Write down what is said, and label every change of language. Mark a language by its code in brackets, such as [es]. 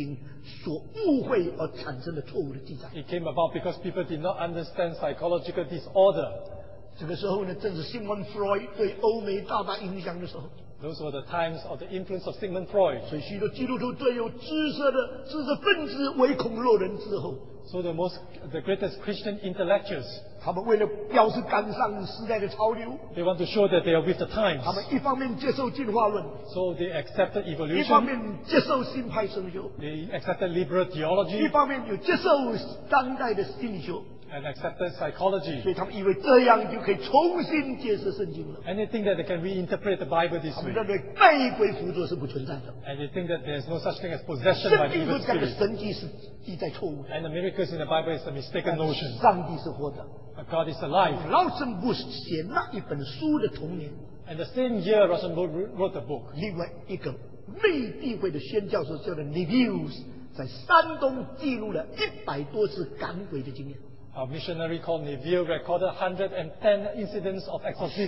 [zh] 都是当时不认识心理状态有差错或者神经病的情形所误会而产生的错误的记载. [en] It came about because people did not understand psychological disorder. [zh] 这个时候呢, 正是Sigmund Freud对欧美大大影响的时候。 [en] Those were the times of the influence of Sigmund Freud. [zh] 所以许多基督徒对有知识的知识分子唯恐落人之后。 [en] So the greatest Christian intellectuals, [zh] 他们为了表示赶上时代的潮流, [en] they want to show that they are with the times. [zh] 他们一方面接受进化论, [en] so they accepted evolution. [zh] 一方面接受新派神学, [en] they accepted liberal theology. [zh] 一方面又接受当代的心理学, [en] and accepted psychology. [zh] 所以他们以为这样就可以重新解释圣经了。 [en] And they think that they can reinterpret the Bible this way. [zh] 他们认为被鬼附着是不存在的。 [en] And they think that there's no such thing as possession by evil spirits. [zh] 圣经所讲的神迹是记载错误。 [en] And the miracles in the Bible is a mistaken notion. [zh] 上帝是活的。 [en] But God is alive. [zh] 劳森布什写那一本书的同年, [en] and the same year Rosenberg wrote the book. [zh] 另外一个内地会的宣教授叫做 Nevius, 在山东记录了100多次赶鬼的经验。 [en] A missionary called Neville recorded 110 incidents of exorcism.